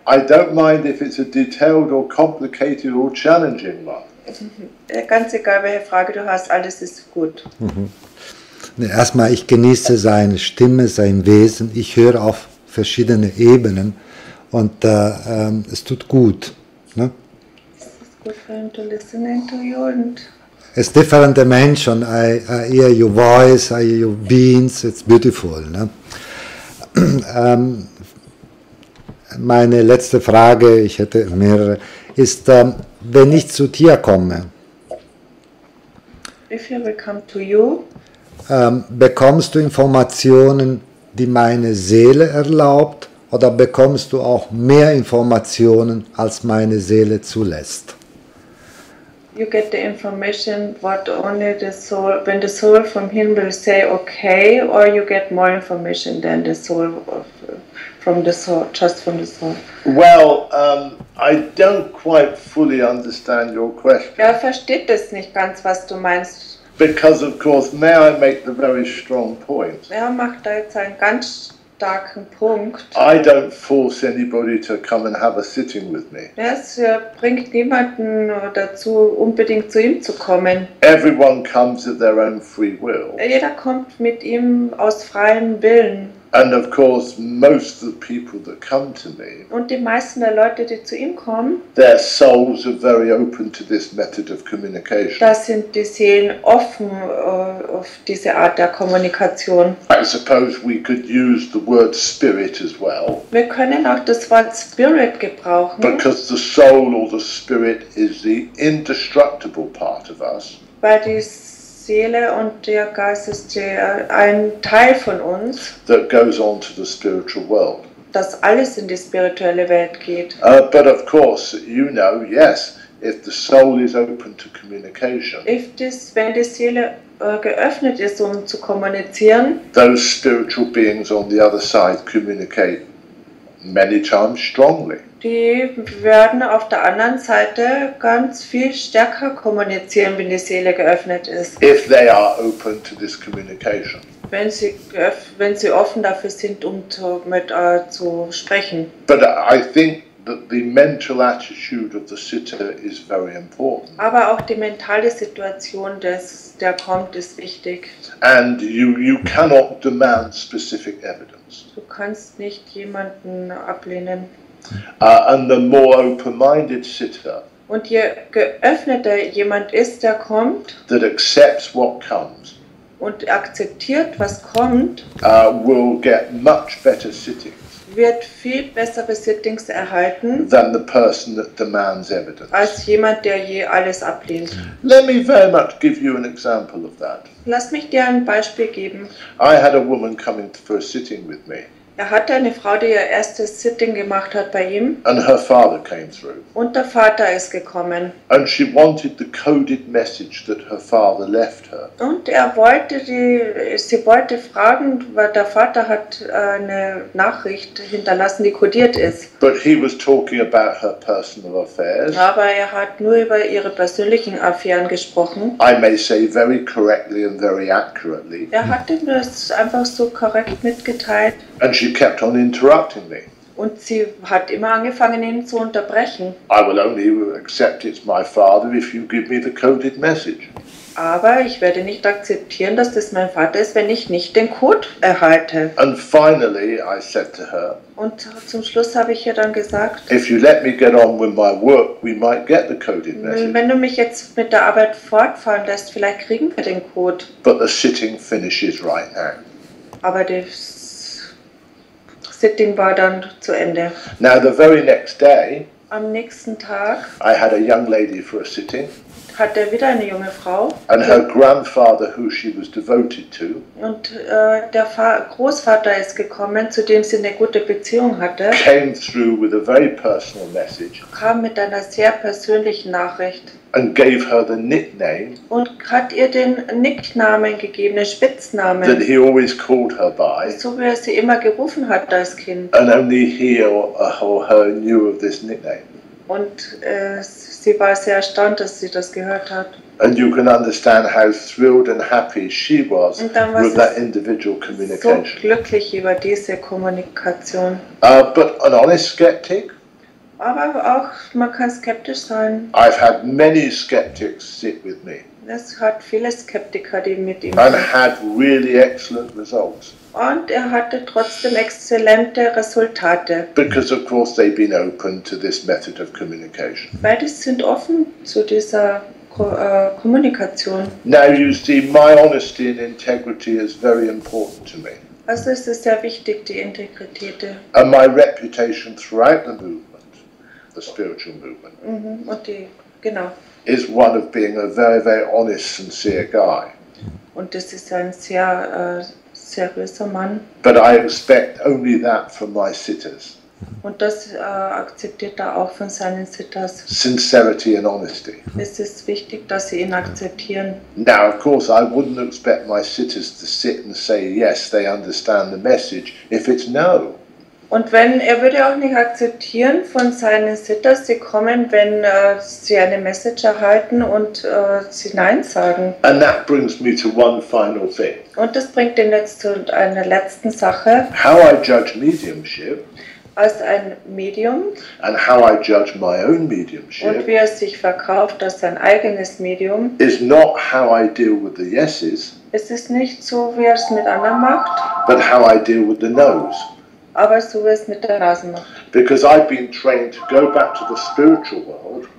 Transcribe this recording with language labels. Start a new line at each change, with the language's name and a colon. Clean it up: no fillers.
English: I don't mind if it's a detailed or complicated or challenging one.
German: Ganz egal, welche Frage du hast, alles ist gut. Erstmal, ich genieße seine Stimme, sein Wesen. Ich höre auf verschiedene Ebenen und es tut gut. Ne? Es ist gut für ihn,
English: to listen to you. It's different the
German: mensch und
English: I hear your voice, I hear your beans, it's beautiful.
German: Ne? Meine letzte Frage, ich hätte mehrere, ist, wenn ich zu dir komme,
English: if you will come to you,
German: bekommst du Informationen, die meine Seele erlaubt, oder bekommst du auch mehr Informationen, als meine Seele zulässt?
English: You get the information what only the soul, when the soul from him will say okay, or you get more information than the soul of, from the soul, just from the soul. Well, I don't quite fully understand your question.
German: Er versteht das nicht ganz, was du meinst.
English: Because of course, may I make the very strong point.
German: Er macht da jetzt einen ganz starken Punkt.
English: I don't force anybody to come and have a sitting with me.
German: Es bringt niemanden dazu, unbedingt zu ihm zu kommen.
English: Everyone comes at their own free will.
German: Jeder kommt mit ihm aus freiem Willen.
English: And of course, most of the people that come to me.
German: Und die meisten der Leute, die zu ihm kommen.
English: Their souls are very open to this method of communication.
German: Das sind die Seelen offen auf diese Art der Kommunikation.
English: I suppose we could use the word spirit as well.
German: Wir können auch das Wort Spirit gebrauchen.
English: Because the soul or the spirit is the indestructible part of us.
German: Weil die Seele und der Geist ist ein Teil von uns,
English: that goes on to the spiritual world.
German: Das alles in die spirituelle Welt geht.
English: But of course, you know, yes, if the soul is open to communication,
German: wenn die Seele geöffnet ist, um zu kommunizieren,
English: those spiritual beings on the other side communicate many times strongly.
German: Die werden auf der anderen Seite ganz viel stärker kommunizieren, wenn die Seele geöffnet ist.
English: If they are open to this communication.
German: Wenn sie offen dafür sind, um zu sprechen.
English: But I think that the mental attitude of the sitter is very important.
German: Aber auch die mentale Situation des der kommt ist wichtig.
English: And you cannot demand specific evidence.
German: Du kannst nicht jemanden ablehnen.
English: And the more open-minded sitter.
German: Und je geöffneter jemand ist, der kommt.
English: That accepts what comes.
German: Und akzeptiert was kommt.
English: Will get much better sitting.
German: Wird viel bessere Sittings erhalten
English: than the person that demands evidence.
German: Als jemand, der je alles ablehnt.
English: Let me very much give you an example of that.
German: Lass mich dir ein Beispiel geben.
English: I had a woman coming for a sitting with me.
German: Er hatte eine Frau, die ihr erstes Sitting gemacht hat bei ihm.
English: And her father came through.
German: Und der Vater ist gekommen.
English: And she wanted the coded message that her father left her.
German: Und sie wollte fragen, weil der Vater hat eine Nachricht hinterlassen, die kodiert ist.
English: But he was talking about her personal affairs.
German: Aber er hat nur über ihre persönlichen Affären gesprochen.
English: I may say very correctly and very accurately.
German: Er hat ihm das einfach so korrekt mitgeteilt.
English: And she kept on interrupting me.
German: Und sie hat immer angefangen, ihn zu unterbrechen.
English: I will only accept it's my father if you give me the coded message.
German: Aber ich werde nicht akzeptieren, dass das mein Vater ist, wenn ich nicht den Code erhalte.
English: And finally I said to her,
German: und zum Schluss habe ich ihr dann gesagt,
English: if you let me get on with my work, we might get the coded message.
German: Wenn du mich jetzt mit der Arbeit fortfahren lässt, vielleicht kriegen wir den Code.
English: But the sitting finishes right now.
German: Aber das Sitting war dann zu Ende.
English: Now the very next day,
German: am nächsten Tag,
English: I had a young lady for a sitting.
German: Hat er wieder eine junge Frau.
English: And her grandfather, who she was devoted to.
German: Und der Großvater ist gekommen, zu dem sie eine gute Beziehung hatte.
English: Came through with a very personal message.
German: Kam mit einer sehr persönlichen Nachricht.
English: And gave her the nickname.
German: Und hat ihr den Nicknamen gegeben, den Spitznamen.
English: That he always called her by.
German: So wie er sie immer gerufen hat als Kind.
English: And only he or her knew of this nickname.
German: Und sie war sehr erstaunt, dass sie das gehört hat.
English: And you can understand how thrilled and happy she was with that individual communication.
German: So glücklich über diese Kommunikation.
English: But an honest skeptic.
German: Aber auch man kann skeptisch sein.
English: I've had many skeptics sit with me.
German: Es hat viele Skeptiker, die mit ihm.
English: And had really excellent results.
German: Und er hatte trotzdem exzellente Resultate.
English: Because of course they've been open to this method of communication.
German: Beide sind offen zu dieser Kommunikation.
English: Now you see, my honesty and integrity is very important to me.
German: Also es ist sehr wichtig, die Integrität.
English: And my reputation throughout the movement, the spiritual movement, is one of being a very, very honest, sincere guy.
German: Und das ist ein sehr seriöser Mann.
English: But I expect only that from my sitters.
German: Und das akzeptiert er auch von seinen Sitters.
English: Sincerity and honesty.
German: Es ist wichtig, dass sie ihn akzeptieren.
English: Now, of course, I wouldn't expect my sitters to sit and say yes, they understand the message, if it's no.
German: Und wenn er würde auch nicht akzeptieren von seinen Sitters, sie kommen, wenn sie eine Message erhalten und sie Nein sagen.
English: And that brings me to one final thing.
German: Und das bringt ihn jetzt zu einer letzten Sache.
English: How I judge mediumship.
German: Als ein Medium.
English: And how I judge my own mediumship.
German: Und wie er sich verkauft als sein eigenes Medium.
English: Is not how I deal with the yeses.
German: Es ist nicht so, wie er es mit anderen macht.
English: But how I deal with the noes.
German: Aber so wie es mit der Nase macht.
English: Because I've been trained to go back to the spiritual world.